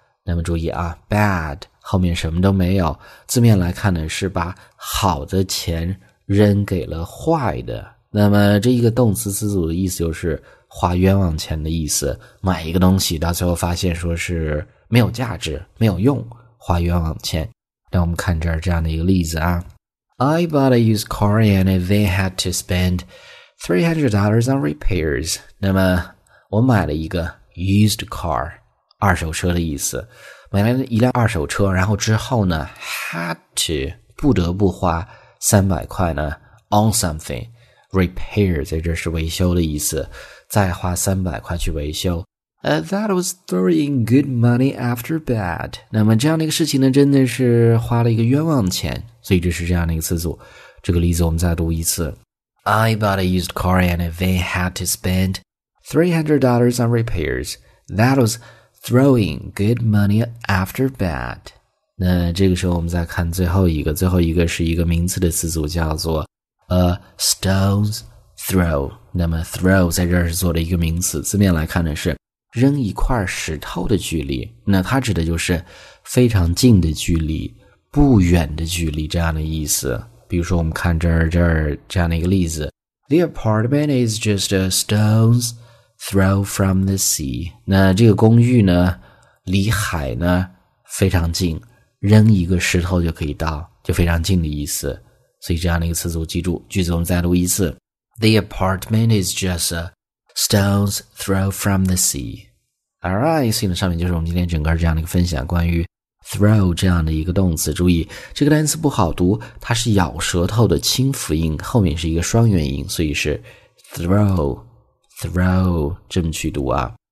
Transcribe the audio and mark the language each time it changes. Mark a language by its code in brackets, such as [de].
[zh] 那么注意啊， bad后面什么都没有，字面来看呢是把好的钱扔给了坏的。那么这一个动词词组的意思就是花冤枉钱的意思，买一个东西到最后发现说是没有价值没有用，花冤枉钱。那我们看这儿这样的一个例子啊。 [en] I bought a used car and they had to spend $300 on repairs. [zh] 那么我买了一个 [en] used car, [zh] 二手车的意思，买了一辆二手车，然后之后呢 [en] had to, [zh] 不得不花300块呢 [en] on something, [zh] repair, 在这是维修的意思，再花300块去维修。 [en] That was throwing good money after bad. [zh] 那么这样的一个事情呢，真的是花了一个冤枉钱，所以这是这样的一个词组。这个例子我们再读一次。 [en] I bought a used car and they had to spend $300 on repairs. That was throwing good money after bad. [zh] 那这个时候我们再看最后一个，最后一个是一个名词的词组，叫做 [en] a stone's throw. [zh] 那么 throw 在这儿是做的一个名词，字面来看的是扔一块石头的距离，那它指的就是非常近的距离，不远的距离这样的意思。比如说我们看这样的一个例子。 [en] The apartment is just a stone'sthrow from the sea. [zh] 那这个公寓呢离海呢非常近，扔一个石头就可以到，就非常近的意思。所以这样的一个词组记住。句子我们再读一次。 [en] The apartment is just a stone's throw from the sea. [zh] Arise 呢，上面就是我们今天整个这样的一个分享，关于 throw 这样的一个动词。注意这个单词不好读，它是咬舌头的轻辅音，后面是一个双元音，所以是 throw 这么去读啊。